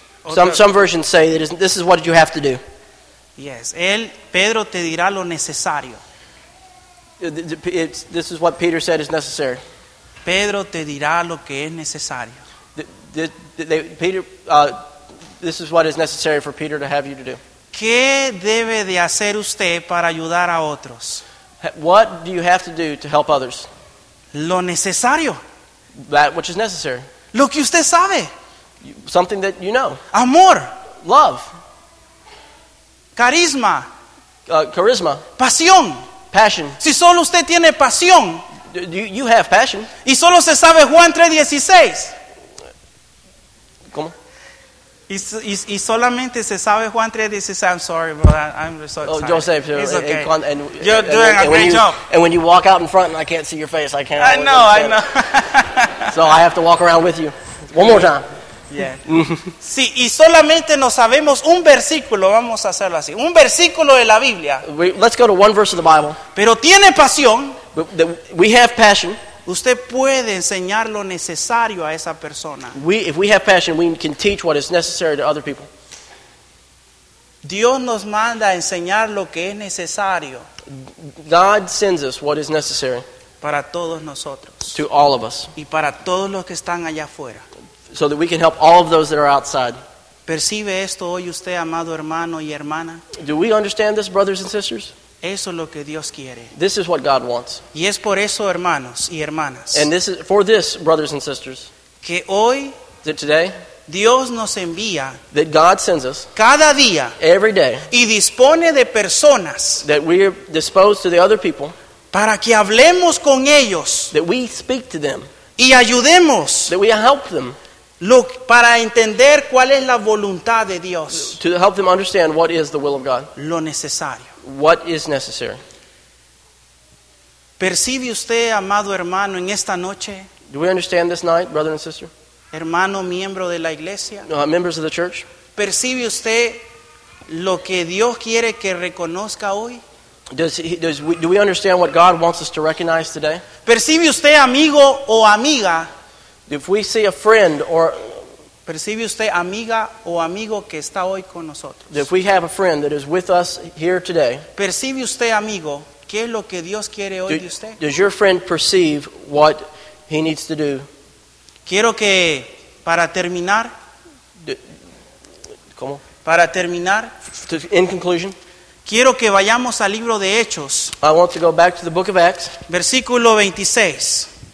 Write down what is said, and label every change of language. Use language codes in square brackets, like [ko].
[en] Some versions say this is what you have to do. [es] Yes, él Pedro te dirá lo necesario. [en] This is what Peter said is necessary. [es] Pedro te dirá lo que es necesario. [en] This is what is necessary for Peter to have you to do. [es] ¿Qué debe de hacer usted para ayudar a otros? [en] What do you have to do to help others? [es] Lo necesario. [en] That which is necessary. [es] Lo que usted sabe. [en] Something that you know. [es] Amor. [en] Love. [es] Carisma. [en] Charisma. [es] Pasión. [en] Passion. [es] Si solo usted tiene pasión. [en] You have passion. [es] Y solo se sabe Juan 3:16. ¿Cómo? Y solamente se sabe Juan 3:16. [en] I'm sorry, but I'm so excited. Oh, Joseph, it's okay. And you're doing a great job. And when you walk out in front and I can't see your face, I can't. I know. So I have to walk around with you. One more time. Yeah. [es] Sí, y solamente nos sabemos un versículo, vamos a hacerlo así. Un versículo de la Biblia. [en] Let's go to one verse of the Bible. [es] Pero tiene pasión. [en] We have passion. [es] Usted puede enseñar lo necesario a esa persona. [en] If we have passion, we can teach what is necessary to other people. [es] Dios nos manda a enseñar lo que es necesario. [en] God sends us what is necessary. [es] Para todos nosotros. [en] To all of us. [es] Y para todos los que están allá afuera. [en] So that we can help all of those that are outside. [es] ¿Percibe esto hoy usted, amado hermano y hermana? [en] Do we understand this, brothers and sisters? [es] Eso es lo que Dios quiere. [en] This is what God wants. [es] Y es por eso, hermanos y hermanas. [en] And this is for this, brothers and sisters. [es] Que hoy, [en] that today, [es] Dios nos envía. [en] That God sends us. [es] Cada día. [en] Every day. [es] Y dispone de personas. [en] That we are disposed to the other people. [es] Para que hablemos con ellos. [en] That we speak to them. [es] Y ayudemos. [en] That we help them. [es] Look, para entender cuál es la voluntad de Dios. [en] To help them understand what is the will of God. [es] Lo necesario. [en] What is necessary. [es] ¿Percibe usted, amado hermano, en esta noche? [en] Do we understand this night, brother and sister? [es] Hermano, miembro de la iglesia. [en] Members of the church. [es] ¿Percibe usted lo que Dios quiere que reconozca hoy? [en] Do we understand what God wants us to recognize today? [es] ¿Percibe usted, amigo o amiga? [en] If we see a friend or... [es] ¿Percibe usted, amiga o amigo que está hoy con nosotros? [en] If we have a friend that is with us here today... [es] ¿Percibe usted, amigo, qué es lo que Dios quiere hoy de usted? [en] Does your friend perceive what he needs to do? [es] Quiero que, para terminar... ¿Cómo? Para terminar... [en] In conclusion... [es] Quiero que vayamos al libro de Hechos. [en] I want to go back to the book of Acts. [es] Versículo 26.